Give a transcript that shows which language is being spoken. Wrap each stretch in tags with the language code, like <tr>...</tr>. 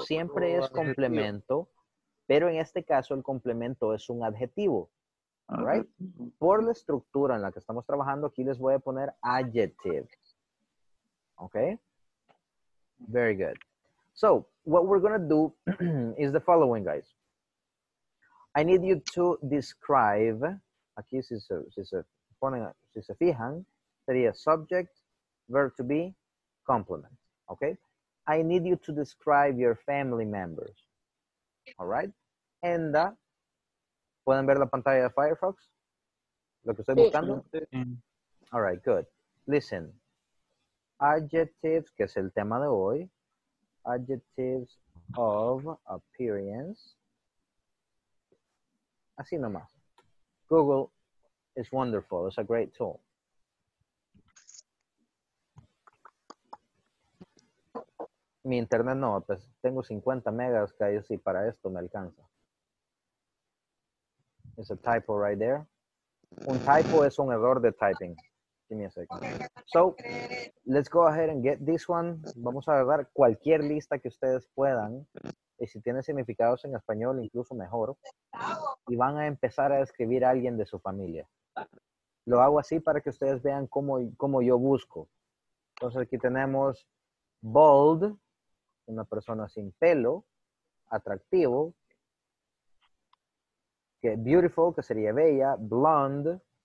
<es>Siempre es complemento, pero en este caso el complemento es un adjetivo. Right? Por la estructura en la que estamos trabajando, aquí les voy a poner adjective. Okay?</es> <en>Very good. So, what we're going to do is the following, guys. I need you to describe,</en> <es>aquí si se fijan, sería</es> <en>subject, verb to be, complement, okay? I need you to describe your family members, all right?</en> <es>And, ¿pueden ver la pantalla de Firefox? ¿Lo que estoy buscando?</es> <en>All right, good. Listen, adjectives,</en> <es>que es el tema de hoy,</es> <en>adjectives of appearance.</en> <es>Así nomás.</es> <en>Google is wonderful. It's a great tool.</en> <es>Mi internet no, pues tengo 50 megas que ahí sí para esto me alcanza.</es> <en>It's a typo right there.</en> <es>Un typo es un error de typing.</es> <en>Give me a second. So, let's go ahead and get this one.</en> <es>Vamos a agarrar cualquier lista que ustedes puedan. Y si tiene significados en español, incluso mejor. Y van a empezar a escribir a alguien de su familia. Lo hago así para que ustedes vean cómo yo busco. Entonces aquí tenemos bald, una persona sin pelo, atractivo, que beautiful, que sería bella, blonde,</es>